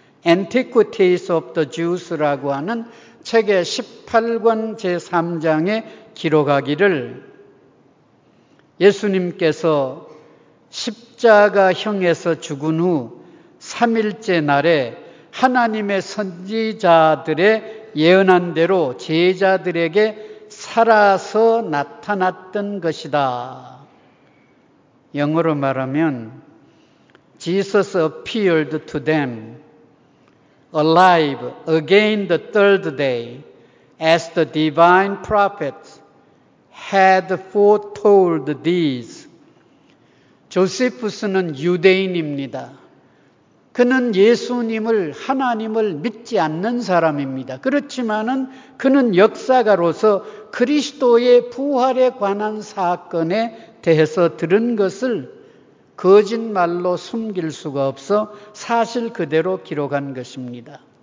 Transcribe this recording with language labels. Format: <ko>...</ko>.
<ko>Antiquities of the Jews라고 하는 책의 18권 제3장에 기록하기를 예수님께서 십자가형에서 죽은 후 3일째 날에 하나님의 선지자들의 예언한 대로 제자들에게 살아서 나타났던 것이다. 영어로 말하면</ko> <en>Jesus appeared to them alive again the third day as the divine prophets had foretold these.</en> <ko>조세푸스는 유대인입니다. 그는 예수님을 하나님을 믿지 않는 사람입니다. 그렇지만은 그는 역사가로서 그리스도의 부활에 관한 사건에 대해서 들은 것을 거짓말로 숨길 수가 없어 사실 그대로 기록한 것입니다.</ko>